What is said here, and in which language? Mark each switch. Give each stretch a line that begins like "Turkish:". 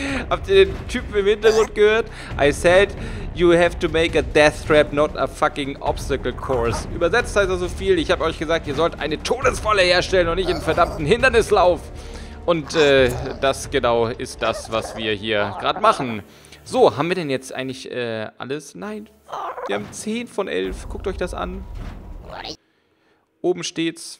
German: Habt ihr den Typen im Hintergrund gehört?
English: I said, you have to make a death trap, not a fucking obstacle course.
German: Übersetzt heißt das so viel. Ich habe euch gesagt, ihr sollt eine Todesfalle herstellen und nicht einen verdammten Hindernislauf. Und das genau ist das, was wir hier gerade machen. So, haben wir denn jetzt eigentlich alles? Nein. Wir haben 10 von 11. Guckt euch das an. Oben steht's.